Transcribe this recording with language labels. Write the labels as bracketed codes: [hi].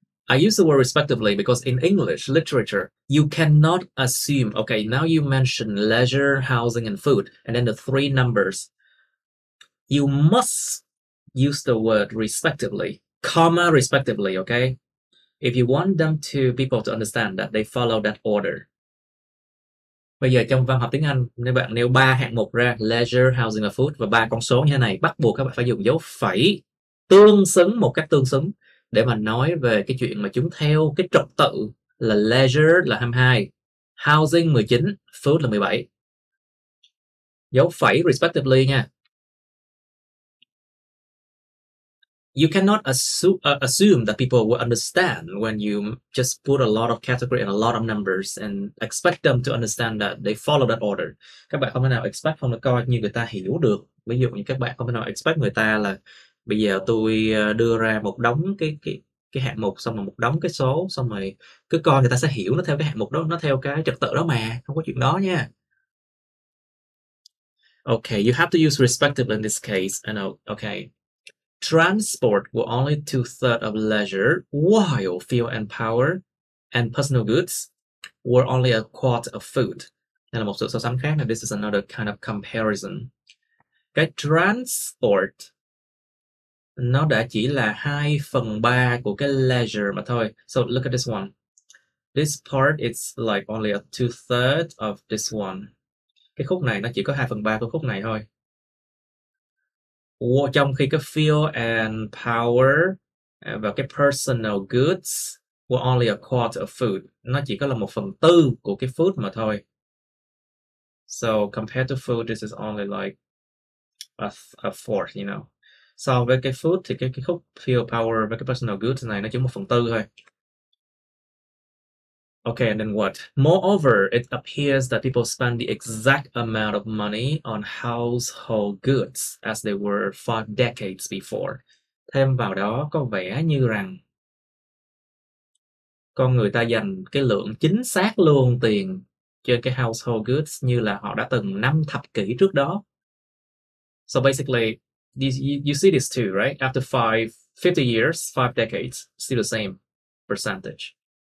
[en] I use the word respectively because in English literature, you cannot assume. Okay, now you mention leisure, housing, and food, and then the three numbers. You must use the word respectively, comma respectively, okay? If you want them to people to understand that they follow that order. [vi] Bây giờ trong văn học tiếng Anh, nếu bạn nêu ba hạng mục ra, leisure, housing and food, và ba con số như thế này, bắt buộc các bạn phải dùng dấu phẩy tương xứng, một cách tương xứng, để mà nói về cái chuyện mà chúng theo cái trật tự là leisure là 22, housing 19, food là 17. Dấu phẩy respectively nha. [en] You cannot assume that people will understand when you just put a lot of category and a lot of numbers and expect them to understand that they follow that order. [vi] Các bạn không thể nào expect, không thể coi như người ta hiểu được. Ví dụ như các bạn không thể nào expect người ta là bây giờ tôi đưa ra một đống cái hạng mục, xong rồi một đống cái số, xong rồi cứ coi người ta sẽ hiểu nó theo cái hạng mục đó, nó theo cái trật tự đó mà. Không có chuyện đó nha. [en] Okay, you have to use respectively in this case. I know, okay. Transport were only 2/3 of leisure, while fuel and power and personal goods were only a quarter of food. [vi] Đây là một sự so sánh khác, [en] and this is another kind of comparison. [vi] Cái transport Nó đã chỉ là 2 phần 3 của cái leisure mà thôi. [en] So look at this one. This part is like only a two-thirds of this one. [vi] Cái khúc này nó chỉ có 2 phần 3 của khúc này thôi. Trong khi cái feel and power và cái personal goods [en] were only a quarter of food. [vi] Nó chỉ có là 1 phần 4 của cái food mà thôi. [en] So compared to food, this is only like a fourth, you know. [vi] So với cái food thì cái khúc feel power và cái personal goods này nó chỉ 1 phần 4 thôi. [en] Okay, and then what? Moreover, it appears that people spend the exact amount of money on household goods as they were for decades before. [vi] Thêm vào đó có vẻ như rằng con người ta dành cái lượng chính xác luôn tiền cho cái household goods như là họ đã từng năm thập kỷ trước đó. [en] So basically, you see this too, right? After 50 years, 5 decades, still the same percentage.